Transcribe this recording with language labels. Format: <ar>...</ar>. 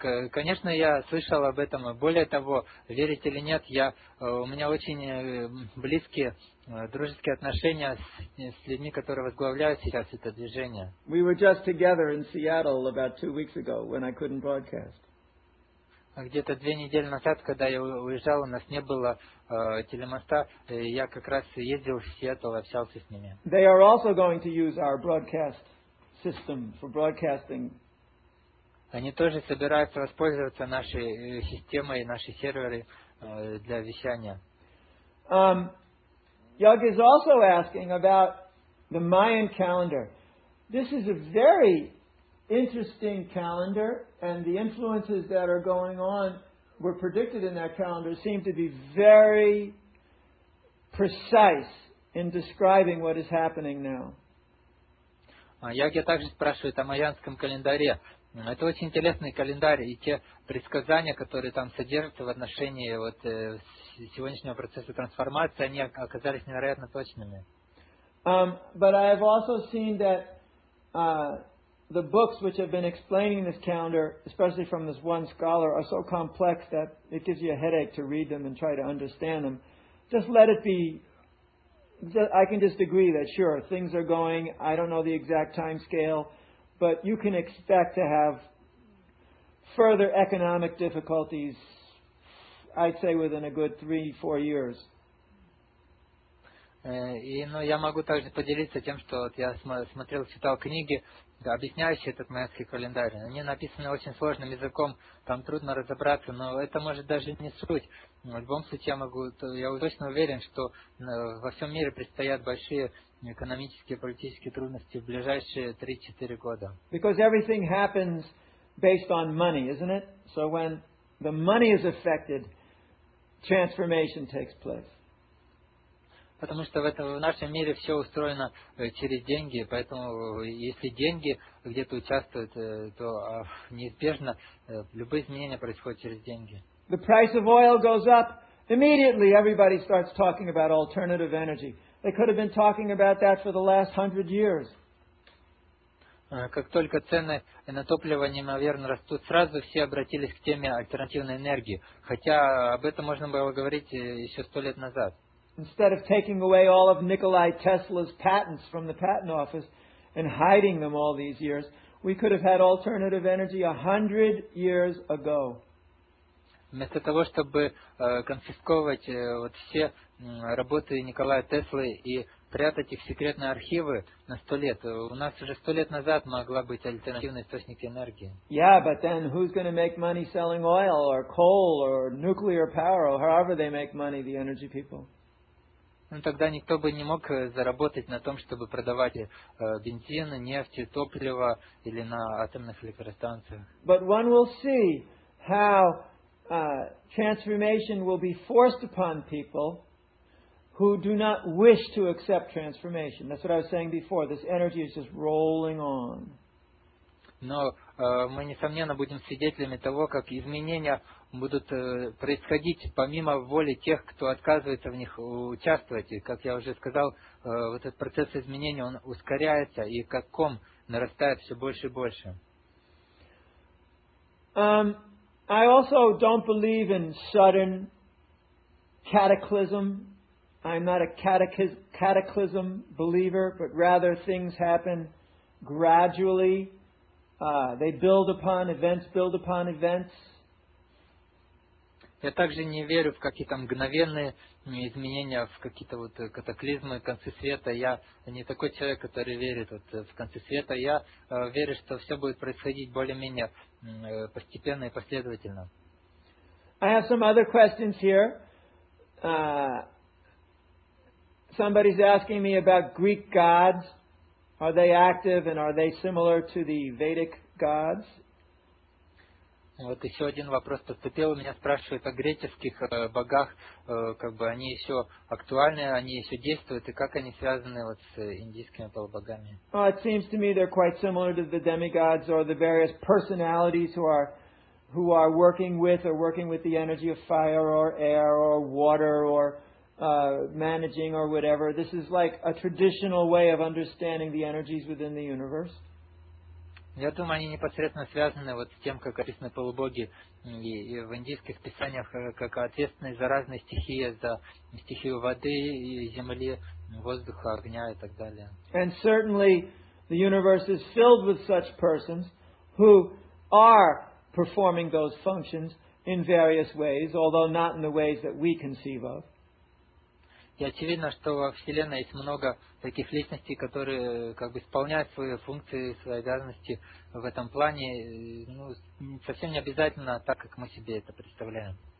<ru>Конечно, я слышал об этом. Более того, верить или нет, у меня очень близкие, дружеские отношения с людьми, которые возглавляют сейчас это движение.</ru> <en>We were just together in Seattle about 2 weeks ago when I couldn't broadcast.</en> <ru>Где-то 2 недели назад, когда я уезжал, у нас не было телемоста, я как раз ездил в Сиэтл, общался с ними.</ru> <en>They are also going to use our broadcast system for broadcasting.</en> <ru>они тоже собираются воспользоваться нашей системой, наши серверы для вещания.</ru> <en>Yug is also asking about the Mayan calendar. This is a very interesting calendar, and the influences that are going on were predicted in that calendar seem to be very precise in describing what is happening now.</en> <ru>Я также спрашиваю о майянском календаре. Это очень интересный календарь, и те предсказания, которые там содержатся в отношении вот сегодняшнего процесса трансформации, они оказались невероятно точными.</ru> <en>But I have also seen that the books which have been explaining this calendar, especially from this one scholar, are so complex that it gives you a headache to read them and try to understand them. Just let it be. I can just agree that sure, things are going. I don't know the exact time scale, but you can expect to have further economic difficulties, I'd say, within a good 3-4 years.</en> <ru>Я могу также поделиться тем, что вот я смотрел, читал книги, объясняющие этот майянский календарь. Они написаны очень сложным языком, там трудно разобраться, но это может даже не суть. В любом случае, я точно уверен, что во всем мире предстоят большие экономические и политические трудности в ближайшие 3-4 года.</ru> <en>Because everything happens based on money, isn't it? So when the money is affected, transformation takes place.</en> <ru>Потому что в нашем мире все устроено через деньги, поэтому если деньги где-то участвуют, то неизбежно любые изменения происходят через деньги.</ru> <en>The price of oil goes up. Immediately everybody starts talking about alternative energy. They could have been talking about that for the last 100 years.</en> <ru>Как только цены на топливо неимоверно растут, сразу все обратились к теме альтернативной энергии. Хотя об этом можно было говорить еще 100 лет назад.</ru> <en>Instead of taking away all of Nikola Tesla's patents from the patent office and hiding them all these years, we could have had alternative energy 100 years ago.</en> <ru>Вместо того, чтобы конфисковать вот все работы Николая Теслы и прятать их в секретные архивы на 100 лет, у нас уже 100 лет назад могла быть альтернативный источник энергии.</ru> <en>Yeah, but then who's going to make money selling oil or coal or nuclear power or however they make money, the energy people?</en> <ru>Ну, тогда никто бы не мог заработать на том, чтобы продавать бензин, нефть, топливо или на атомных электростанциях.</ru> <en>But one will see how transformation will be forced upon people who do not wish to accept transformation. That's what I was saying before. This energy is just rolling on.</en> <ru>Но мы, несомненно, будем свидетелями того, как изменения будут происходить помимо воли тех, кто отказывается в них участвовать. И, как я уже сказал, вот этот процесс изменения, он ускоряется и как ком нарастает все больше и больше.</ru> <en>I also don't believe in sudden cataclysm. I'm not a cataclysm believer, but rather things happen gradually. They build upon events, build upon events.</en> <ru>Я также не верю в какие-то мгновенные изменения, в какие-то вот катаклизмы, концы света. Я не такой человек, который верит вот в концы света. Я верю, что все будет происходить более-менее постепенно и последовательно.</ru> <en>I have some other questions here. Somebody's asking me about Greek gods. Are they active and are they similar to the Vedic gods?</en> <ru>Вот еще один вопрос поступил. Меня спрашивают о греческих богах. Как бы они еще актуальны, они еще действуют, и как они связаны вот с индийскими полубогами?</ru> <en>Well, it seems to me they're quite similar to the demigods or the various personalities who are working with or working with the energy of fire or air or water or managing or whatever. This is like a traditional way of understanding the energies within the universe.</en> <ru>Я думаю, они непосредственно связаны вот с тем, как описаны полубоги и в индийских писаниях, как ответственные за разные стихии, за стихию воды, и земли, воздуха, огня и так далее.</ru> <en>And certainly the universe is filled with such persons who are performing those functions in various ways, although not in the ways that we conceive of.</en> <ru>И очевидно, что во Вселенной есть много таких личностей, которые как бы исполняют свои функции, свои обязанности в этом плане, ну, совсем не обязательно так, как мы себе это представляем.</ru>